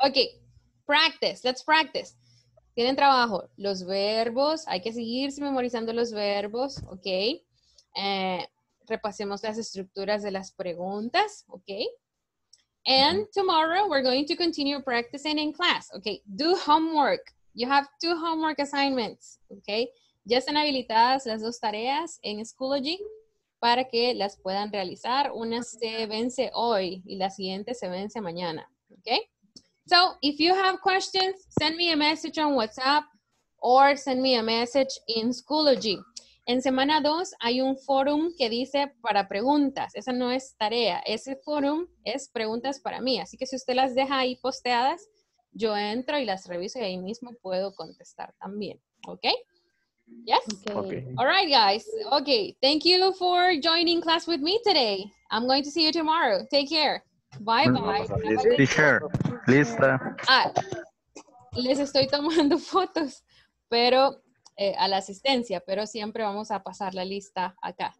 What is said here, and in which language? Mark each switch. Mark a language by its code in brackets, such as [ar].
[en] Okay. Practice. Let's practice. [es] Tienen trabajo. Los verbos. Hay que seguirse memorizando los verbos. Okay. Repasemos las estructuras de las preguntas. Okay. [en] And tomorrow we're going to continue practicing in class. Okay. Do homework. You have two homework assignments. Okay. [es] Ya están habilitadas las dos tareas en Schoology para que las puedan realizar. Una se vence hoy y la siguiente se vence mañana. Okay. [en] So, if you have questions, send me a message on WhatsApp or send me a message in Schoology. [es] En semana 2 hay un forum que dice para preguntas. Esa no es tarea. Ese forum es preguntas para mí. Así que si usted las deja ahí posteadas, yo entro y las reviso y ahí mismo puedo contestar también. [en] Okay? Yes? Okay. All right, guys. Okay. Thank you for joining class with me today. I'm going to see you tomorrow. Take care. Bye-bye. [es] Teacher, lista. Ah, les estoy tomando fotos, pero a la asistencia, pero siempre vamos a pasar la lista acá.